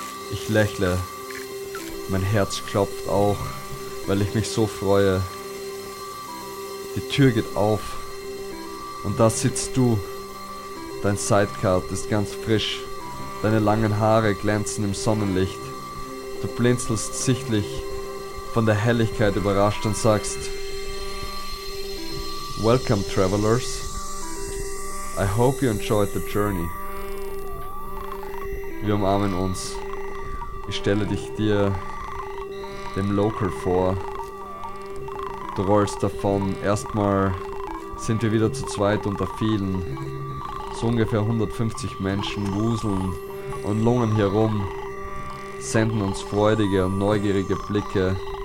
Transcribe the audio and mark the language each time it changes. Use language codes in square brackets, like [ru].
[de] Ich lächle. Mein Herz klopft auch, weil ich mich so freue. Die Tür geht auf. Und da sitzt du. Dein Sidecart ist ganz frisch. Deine langen Haare glänzen im Sonnenlicht. Du blinzelst sichtlich von der Helligkeit überrascht und sagst: [en] Welcome, travelers. I hope you enjoyed the journey. [de] Wir umarmen uns. Ich stelle dich dir, dem Local, vor. Du rollst davon. Erstmal sind wir wieder zu zweit unter vielen. So ungefähr 150 Menschen wuseln und lungern herum, senden uns freudige und neugierige Blicke.